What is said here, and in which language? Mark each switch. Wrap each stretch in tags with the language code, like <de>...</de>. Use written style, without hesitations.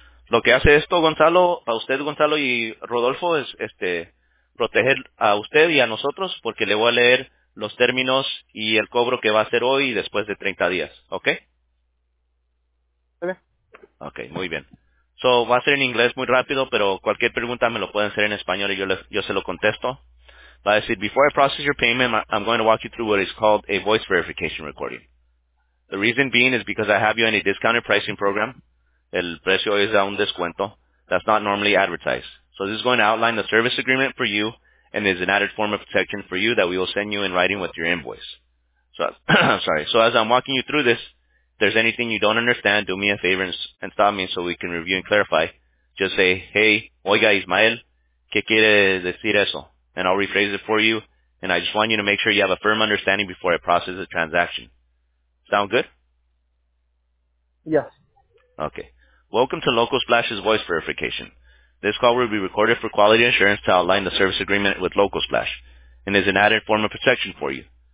<es>Lo que hace esto, Gonzalo, a usted, Gonzalo y Rodolfo, es proteger a usted y a nosotros, porque le voy a leer los términos y el cobro que va a hacer hoy y después de 30 días, ¿ok? Ok, muy bien. So, va a ser en inglés muy rápido, pero cualquier pregunta me lo pueden hacer en español y yo se lo contesto. Va a decir,</es> <en>before I process your payment, I'm going to walk you through what is called a voice verification recording. The reason being is because I have you in a discounted pricing program.</en> <es>El precio es a un descuento.</es> <en>That's not normally advertised. So this is going to outline the service agreement for you and is an added form of protection for you that we will send you in writing with your invoice. So, sorry. So as I'm walking you through this, if there's anything you don't understand, do me a favor and stop me so we can review and clarify. Just say, hey,</en> <es>oiga, Ismael, ¿qué quiere decir eso?</es> <en>And I'll rephrase it for you, and I just want you to make sure you have a firm understanding before I process the transaction. Sound good? Yes. Okay. Welcome to Local Splash's voice verification. This call will be recorded for quality assurance to outline the service agreement with Local Splash, and is an added form of protection for you.</en>